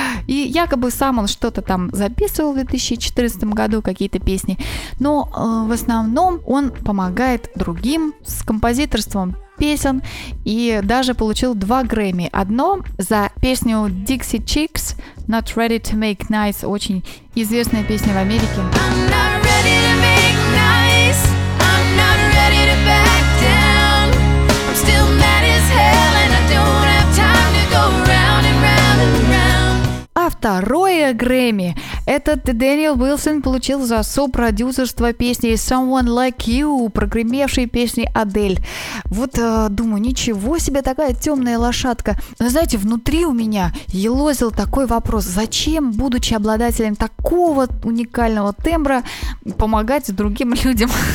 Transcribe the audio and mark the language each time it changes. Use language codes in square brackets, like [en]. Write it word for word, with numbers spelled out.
[ru] И якобы сам он что-то там записывал в две тысячи четырнадцатом году, какие-то песни, но э, в основном он помогает другим с композиторством песен и даже получил два Грэмми. Одно за песню Dixie Chicks Not Ready to Make Nice, очень известная песня в Америке. [en] I'm not ready to make nice. I'm not ready to back down. I'm still mad as hell and I don't have time to go round and round and round. [ru] А второе Грэмми этот Дэниел Уилсон получил за сопродюсерство песни Someone Like You, прогремевшей песни Адель. Вот, э, думаю, ничего себе такая темная лошадка. Но, знаете, внутри у меня елозил такой вопрос. Зачем, будучи обладателем такого уникального тембра, помогать другим людям?